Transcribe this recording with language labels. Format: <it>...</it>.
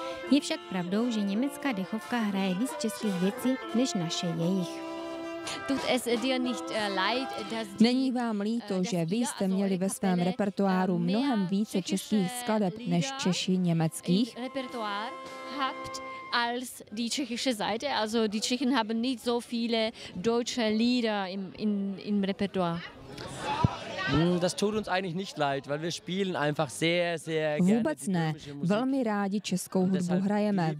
<cs>Je však pravdou, že německá dechovka hraje víc českých věcí, než naše jejich. Není vám líto, že vy jste měli ve svém repertoáru mnohem více českých skladeb než Češi německých?</cs> <de>Als die tschechische Seite, also die Tschechen haben nicht so viele deutsche Lieder im Repertoire. Das tut uns eigentlich nicht leid, weil wir spielen einfach sehr, sehr gerne.</de> <cs>Vůbec ne. Velmi rádi českou hudbu hrajeme.</cs>